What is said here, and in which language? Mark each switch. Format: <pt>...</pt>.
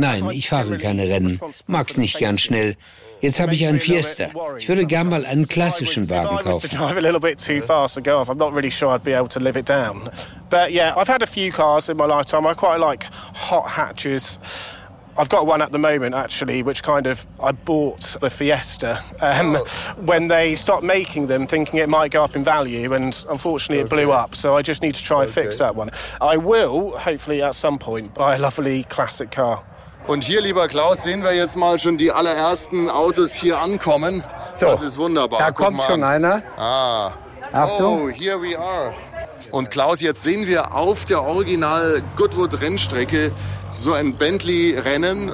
<de>nein, ich fahre keine Rennen. Mag's nicht ganz schnell. Jetzt habe ich einen Fiesta. Ich würde gern mal einen klassischen Wagen kaufen.</de> <en>If I was to drive a little bit too fast and go off, I'm not really sure I'd be able to live it down. But yeah, I've had a few cars in my lifetime. I quite like hot hatches. I've got one at the moment, actually, which kind of I bought a Fiesta when they stopped making them, thinking it might go up in value, and unfortunately it blew up. So I just need to try and fix that one. I will, hopefully at some point, buy a lovely classic car.</en> <de>Und hier, lieber Klaus, sehen wir jetzt mal schon die allerersten Autos hier ankommen. So, das ist wunderbar. Da kommt schon einer. Ah. Achtung.</de> <en>Oh, here we are.</en> <de>Und Klaus, jetzt sehen wir auf der Original Goodwood Rennstrecke so ein Bentley Rennen.</de>